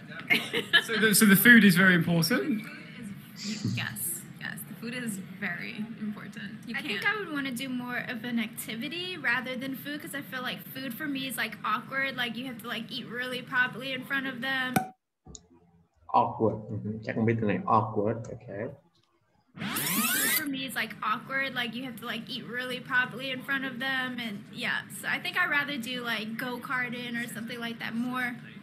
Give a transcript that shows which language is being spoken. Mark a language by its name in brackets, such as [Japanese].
[English] Yeah, So the food is very important? Yes, the food is very important. I think I would want to do more of an activity rather than food because I feel like food for me is like awkward, like you have to like eat really properly in front of them. [Vietnamese] Awkward, chắc không biết từ này, awkward, okay. [English] Food for me is like awkward, like you have to like eat really properly in front of them and yeah, so I think I'd rather do like go-karting or something like that more.